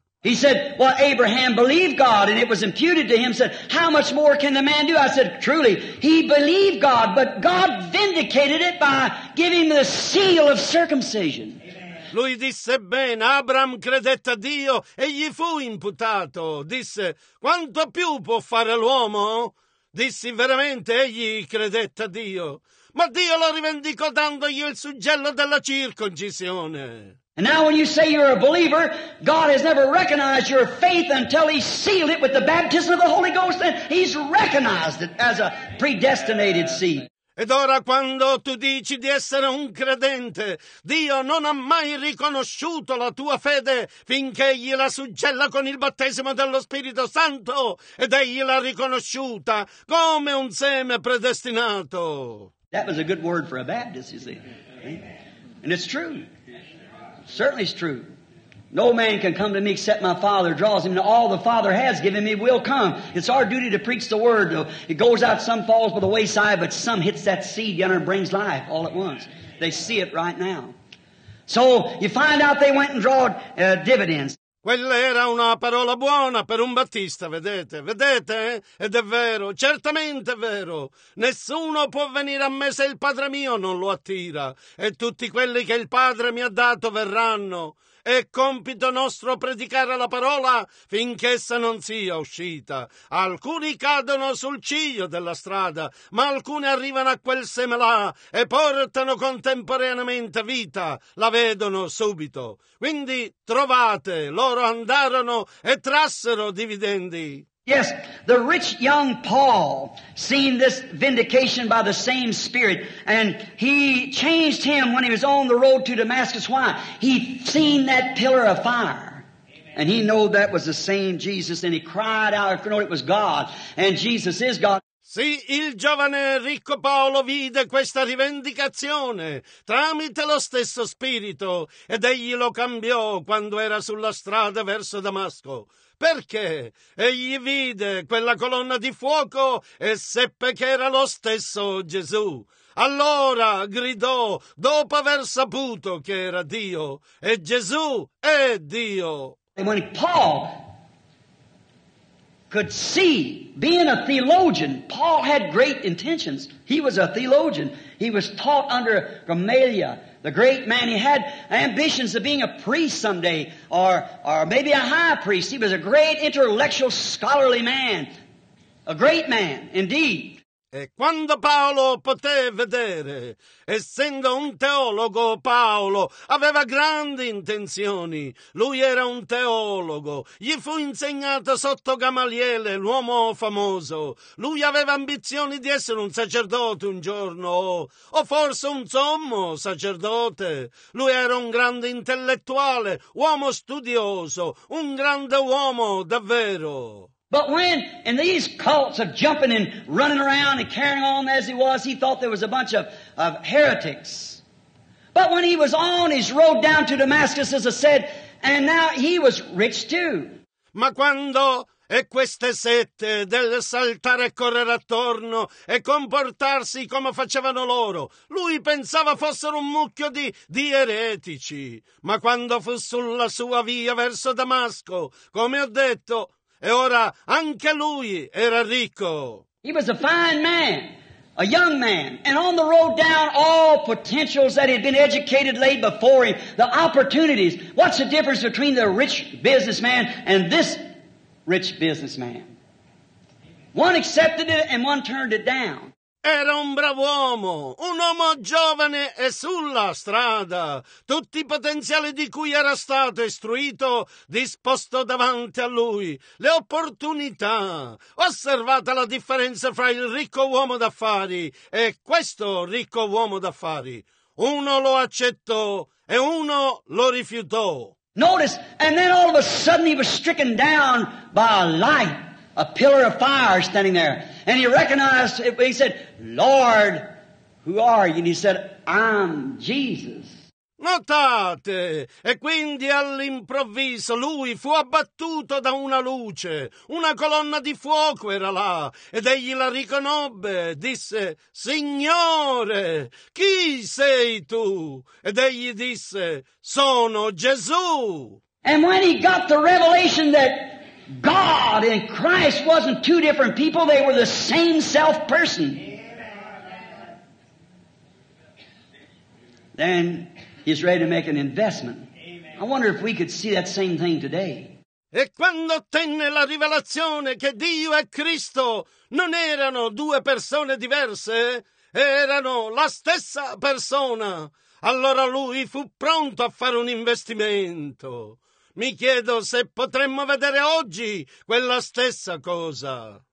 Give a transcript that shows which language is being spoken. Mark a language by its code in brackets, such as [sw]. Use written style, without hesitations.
[en] He said, well, Abraham believed God, and it was imputed to him. Said, how much more can the man do? I said, truly, he believed God, but God vindicated it by giving the seal of circumcision. [it] Lui disse, bene, Abram credette a Dio, e gli fu imputato. Disse, quanto più può fare l'uomo? Dissi, veramente, egli credette a Dio. Ma Dio lo rivendicò dandogli il suggello della circoncisione. [en] And now when you say you're a believer, God has never recognized your faith until he's sealed it with the baptism of the Holy Ghost, and he's recognized it as a predestinated seed. [it] Ed ora quando tu dici di essere un credente, Dio non ha mai riconosciuto la tua fede finché egli la suggella con il battesimo dello Spirito Santo ed egli l'ha riconosciuta come un seme predestinato. [en] That was a good word for a Baptist, you see. And it's true. Certainly it's true. No man can come to me except my Father draws him. And all the Father has given me will come. It's our duty to preach the word. It goes out, some falls by the wayside, but some hits that seed yonder and brings life all at once. They see it right now. So you find out they went and drawed dividends. [it] Quella era una parola buona per un Battista, vedete, vedete? Ed è vero, certamente è vero. Nessuno può venire a me se il Padre mio non lo attira. E tutti quelli che il Padre mi ha dato verranno. È compito nostro predicare la parola finché essa non sia uscita. Alcuni cadono sul ciglio della strada, ma alcuni arrivano a quel seme là e portano contemporaneamente vita. La vedono subito. Quindi trovate, loro andarono e trassero dividendi. [en] Yes, the rich young Paul seen this vindication by the same Spirit, and he changed him when he was on the road to Damascus. Why? He seen that pillar of fire. Amen. And he knew that was the same Jesus, and he cried out, if you know it was God, and Jesus is God. [it] Sì, il giovane ricco Paolo vide questa rivendicazione tramite lo stesso Spirito, ed egli lo cambiò quando era sulla strada verso Damasco. Perché? Egli vide quella colonna di fuoco e seppe che era lo stesso Gesù. Allora gridò, dopo aver saputo che era Dio, e Gesù è Dio. [en] E when Paul could see, being a theologian, Paul had great intentions. He was a theologian. He was taught under Gamaliel, the great man. He had ambitions of being a priest someday, or maybe a high priest. He was a great intellectual, scholarly man. A great man, indeed. [it] E quando Paolo poté vedere, essendo un teologo, Paolo aveva grandi intenzioni. Lui era un teologo. Gli fu insegnato sotto Gamaliele, l'uomo famoso. Lui aveva ambizioni di essere un sacerdote un giorno, o forse un sommo sacerdote. Lui era un grande intellettuale, uomo studioso, un grande uomo davvero. [en] But when, in these cults of jumping and running around and carrying on as he was, he thought there was a bunch of heretics. But when he was on his road down to Damascus, as I said, and now he was rich too. [it] Ma quando... E queste sette del saltare e correre attorno e comportarsi come facevano loro. Lui pensava fossero un mucchio di eretici. Ma quando fu sulla sua via verso Damasco, come ho detto... E ora anche lui era ricco. [en] He was a fine man, a young man, and on the road down, all potentials that had been educated laid before him, the opportunities. What's the difference between the rich businessman and this rich businessman? One accepted it and one turned it down. [it] Era un bravo uomo, un uomo giovane e sulla strada. Tutti i potenziali di cui era stato istruito, disposto davanti a lui. Le opportunità. Osservate la differenza fra il ricco uomo d'affari e questo ricco uomo d'affari. Uno lo accettò e uno lo rifiutò. [en] Notice, and then all of a sudden he was stricken down by a light, a pillar of fire standing there. And he recognized it, he said, Lord, who are you? And he said, I'm Jesus. [it] Notate, e quindi all'improvviso lui fu abbattuto da una luce. Una colonna di fuoco era là, ed egli la riconobbe, disse, Signore, chi sei tu? Ed egli disse, sono Gesù. [en] And when he got the revelation that God and Christ wasn't two different people, they were the same self person. Amen. Then he's ready to make an investment. Amen. I wonder if we could see that same thing today. [it] E quando ottenne la rivelazione che Dio e Cristo non erano due persone diverse, erano la stessa persona, allora lui fu pronto a fare un investimento. Mi chiedo se potremmo vedere oggi quella stessa cosa.